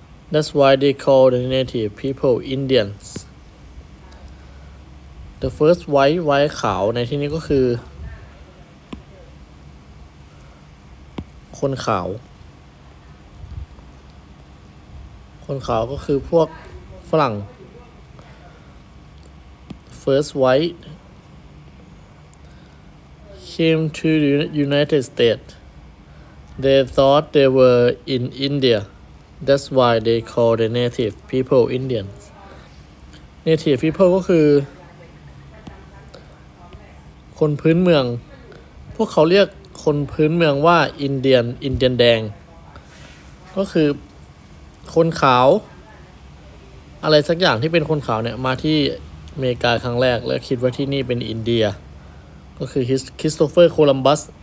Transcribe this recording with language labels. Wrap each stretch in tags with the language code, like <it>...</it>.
<en>That's why they call the native people Indians. The first white</en> <th>ขาวในที่นี้ก็คือคนขาวก็คือพวกฝรั่ง</th> <en>First white came to the United States. They thought they were in India. That's why they call the native people Indians.</en> <th>Native people ก็คือคนพื้นเมืองพวกเขาเรียกคนพื้นเมืองว่าอินเดียนแดงก็คือคนขาวอะไรสักอย่างที่เป็นคนขาวเนี่ยมาที่อเมริกาครั้งแรกแล้วคิดว่าที่นี่เป็นอินเดียก็คือคริสโตเฟอร์โคลัมบัส</th>